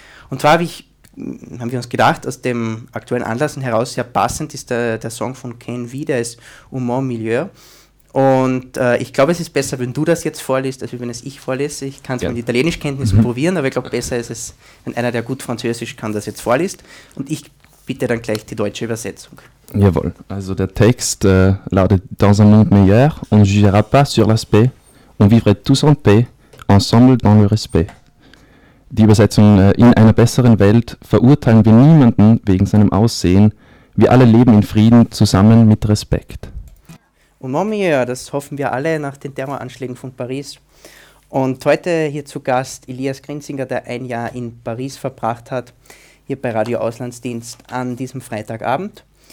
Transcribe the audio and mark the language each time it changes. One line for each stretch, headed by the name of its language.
German: Und zwar haben wir uns gedacht, aus dem aktuellen Anlass heraus sehr passend ist der Song von Ken V, der ist Humain Milieu. Und ich glaube, es ist besser, wenn du das jetzt vorliest, als wenn es ich vorlese. Ich kann es mit Italienischkenntnissen probieren, aber ich glaube, besser ist es, wenn einer, der gut Französisch kann, das jetzt vorliest. Und ich bitte dann gleich die deutsche Übersetzung. Jawohl, also der Text lautet:
French: Dans un monde meilleur, on ne jugera pas sur l'aspect, on vivrait tous en paix, ensemble dans le respect.
German: Die Übersetzung, in einer besseren Welt verurteilen wir niemanden wegen seinem Aussehen. Wir alle leben in Frieden zusammen mit Respekt. Und Momie, das hoffen wir alle nach den Terroranschlägen von Paris. Und heute hier zu Gast Elias Grinzinger, der ein Jahr in Paris verbracht hat, hier bei Radio Auslandsdienst an diesem Freitagabend.